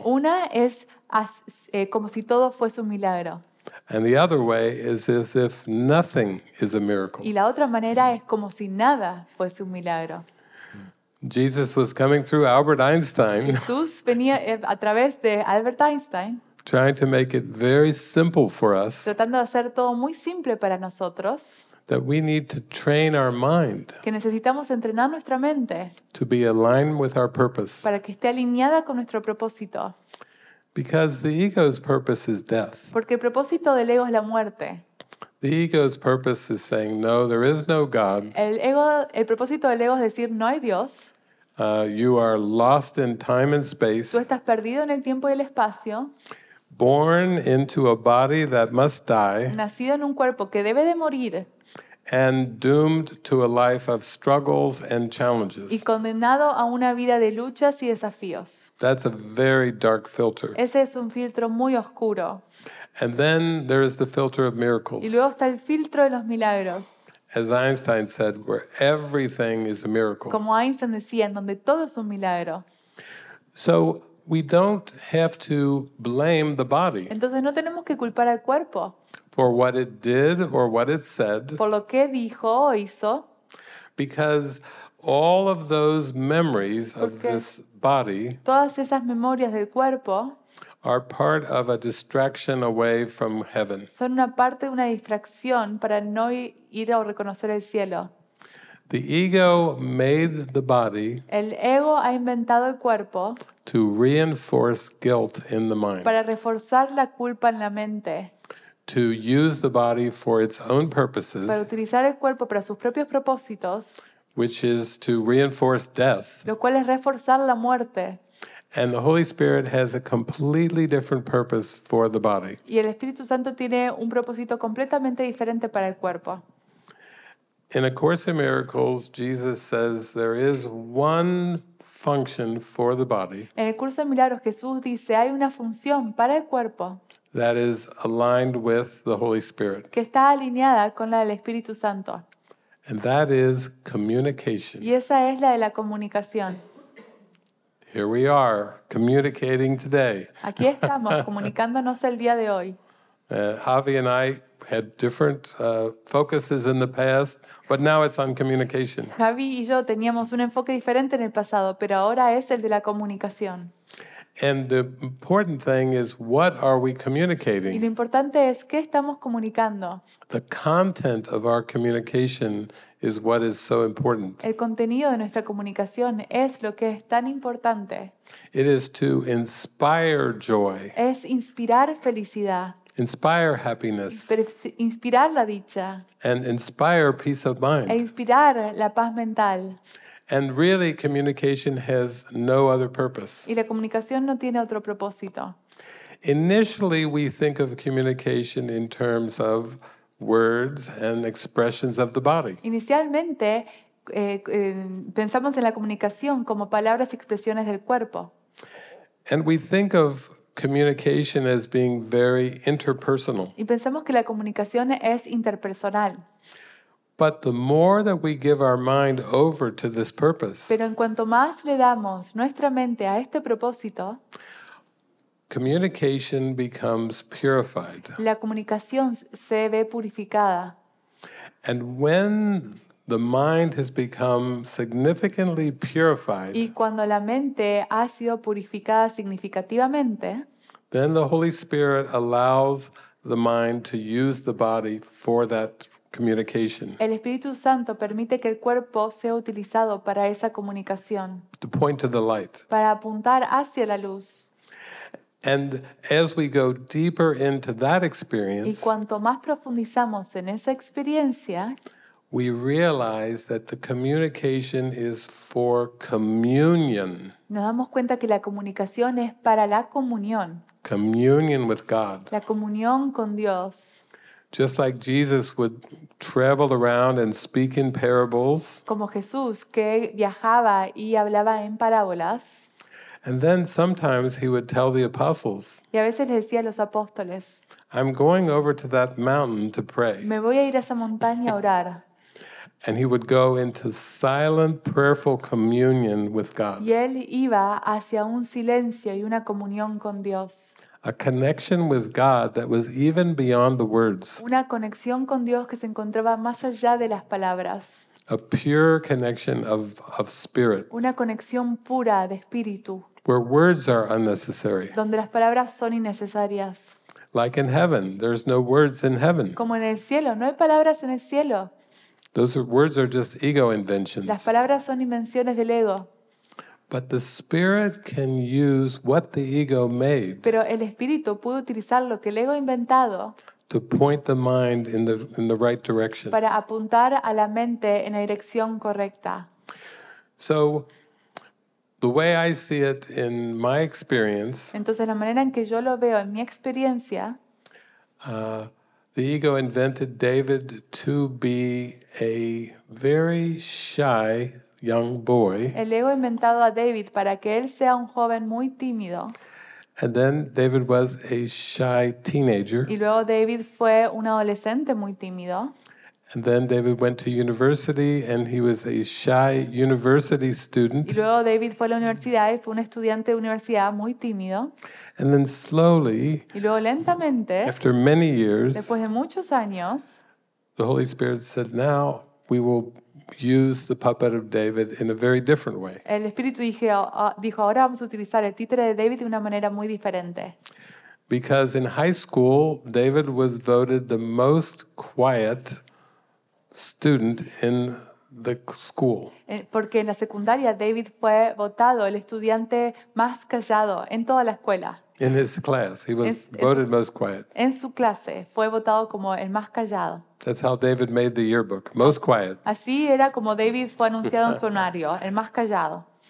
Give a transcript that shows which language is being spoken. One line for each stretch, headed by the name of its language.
Spanish: Una es como si todo fuese un milagro.
English: And the other way is as if nothing is a miracle.
Spanish: Y la otra manera es como si nada fuese un milagro.
English: Jesus was coming through Albert Einstein.
Spanish: Jesús venía a través de Albert Einstein.
English: Trying to make it very simple for us.
Spanish: Tratando de hacer todo muy simple para nosotros.
English: That we need to train our mind.
Spanish: Que necesitamos entrenar nuestra mente.
English: To be aligned with our purpose.
Spanish: Para que esté alineada con nuestro propósito.
English: Because the ego's purpose is death.
Spanish: Porque el propósito del ego es la muerte.
English: The ego's purpose is saying no, there is no God.
Spanish: El propósito del ego es decir no hay Dios.
English: You are lost in time and space.
Spanish: Tú estás perdido en el tiempo y el espacio.
English: Born into a body that must die.
Spanish: Nacido en un cuerpo que debe de morir.
English: And doomed to a life of struggles and challenges.
Spanish: Y condenado a una vida de luchas y desafíos.
English: That's a very dark filter.
Spanish: Ese es un filtro muy oscuro.
English: And then there is the filter of miracles.
Spanish: Y luego está el filtro de los milagros.
English: As Einstein said, where everything is a miracle.
Spanish: Como Einstein decía, en donde todo es un milagro.
English: So we don't have to blame the body.
Spanish: Entonces no tenemos que culpar al cuerpo.
English: For what it did or what it said.
Spanish: Por lo que dijo o hizo.
English: Because all of those memories of this body.
Spanish: Todas esas memorias del cuerpo.
English: Are part of a distraction away from heaven.
Spanish: Son una parte de una distracción para no ir a reconocer el cielo.
English: The ego made the body.
Spanish: El ego ha inventado el cuerpo.
English: To reinforce guilt in the mind.
Spanish: Para reforzar la culpa en la mente.
English: To use the body for its own purposes.
Spanish: Para utilizar el cuerpo para sus propios propósitos.
English: Which is to reinforce death.
Spanish: Lo cual es reforzar la muerte.
English: And the Holy Spirit has a completely different purpose for the body.
Spanish: Y el Espíritu Santo tiene un propósito completamente diferente para el cuerpo.
English: In A Course in Miracles, Jesus says there is one function for the body.
Spanish: En el curso de milagros, Jesús dice hay una función para el cuerpo.
English: That is aligned with the Holy Spirit.
Spanish: Que está alineada con la del Espíritu Santo.
English: And that is communication.
Spanish: Y esa es la de la comunicación.
English: Here we are communicating today.
Spanish: Aquí estamos comunicándonos el día de hoy.
English: Javi and I had different focuses in the past, but now it's on communication.
Spanish: Javi y yo teníamos un enfoque diferente en el pasado, pero ahora es el de la comunicación.
English: And the important thing is what are we communicating?
Spanish: Y lo importante es qué estamos comunicando.
English: The content of our communication is what is so important.
Spanish: El contenido de nuestra comunicación es lo que es tan importante.
English: It is to inspire joy.
Spanish: Es inspirar felicidad.
English: Inspire happiness.
Spanish: Inspirar la dicha.
English: And inspire peace of mind.
Spanish: E inspirar la paz mental.
English: And really, communication has no other purpose.
Spanish: Y la comunicación no tiene otro propósito.
English: Initially, we think of communication in terms of words and expressions of the body.
Spanish: Inicialmente, pensamos en la comunicación como palabras y expresiones del cuerpo.
English: And we think of communication as being very interpersonal.
Spanish: Y pensamos que la comunicación es interpersonal.
English: But the more that we give our mind over to this purpose.
Spanish: Pero en cuanto más le damos nuestra mente a este propósito,
English: communication becomes purified.
Spanish: La comunicación se ve purificada.
English: And when the mind has become significantly purified.
Spanish: Y cuando la mente ha sido purificada significativamente,
English: then the Holy Spirit allows the mind to use the body for that communication.
Spanish: El Espíritu Santo permite que el cuerpo sea utilizado para esa comunicación.
English: To point to the light.
Spanish: Para apuntar hacia la luz.
English: And as we go deeper into that experience,
Spanish: y cuanto más profundizamos en esa experiencia,
English: we realize that the communication is for communion.
Spanish: Nos damos cuenta que la comunicación es para la comunión.
English: Communion with God.
Spanish: La comunión con Dios.
English: Just like Jesus would travel around and speak in parables.
Spanish: Como Jesús, que viajaba y hablaba en parábolas.
English: And then sometimes he would tell the apostles.
Spanish: Y a veces les decía a los apóstoles.
English: I'm going over to that mountain to pray.
Spanish: Me voy a ir a esa montaña a orar.
English: And he would go into silent, prayerful communion with God.
Spanish: Y él iba hacia un silencio y una comunión con Dios.
English: A connection with God that was even beyond the words.
Spanish: Una conexión con Dios que se encontraba más allá de las palabras.
English: A pure connection of spirit.
Spanish: Una conexión pura de espíritu.
English: Where words are unnecessary.
Spanish: Donde las palabras son innecesarias.
English: Like in heaven, there's no words in heaven.
Spanish: Como en el cielo, no hay palabras en el cielo.
English: Those words are just ego inventions.
Spanish: Las palabras son invenciones del ego.
English: But the spirit can use what the ego made.
Spanish: Pero el espíritu puede utilizar lo que el ego ha inventado.
English: To point the mind in the right direction.
Spanish: Para apuntar a la mente en la dirección correcta.
English: So the way I see it in my experience.
Spanish: Entonces la manera en que yo lo veo en mi experiencia.
English: The ego invented David to be a very shy young boy.
Spanish: El ego inventado a David para que él sea un joven muy tímido.
English: And then David was a shy teenager.
Spanish: Y luego David fue un adolescente muy tímido.
English: And then David went to university and he was a shy university student.
Spanish: Y luego David fue a la universidad y fue un estudiante de universidad muy tímido.
English: And then slowly,
Spanish: y luego lentamente,
English: after many years,
Spanish: después de muchos años,
English: the Holy Spirit said, "Now we will use the puppet of David in a very different way."
Spanish: El espíritu dijo, ahora vamos a utilizar el títere de David de una manera muy diferente.
English: Because in high school, David was voted the most quiet student in the school.
Spanish: Porque en la secundaria David fue votado el estudiante más callado en toda la escuela.
English: In his class, he was voted most quiet.
Spanish: En su clase fue votado como el más callado.
English: That's how David made the yearbook, most quiet.
Spanish: Así era como David fue anunciado en su anuario, el más callado.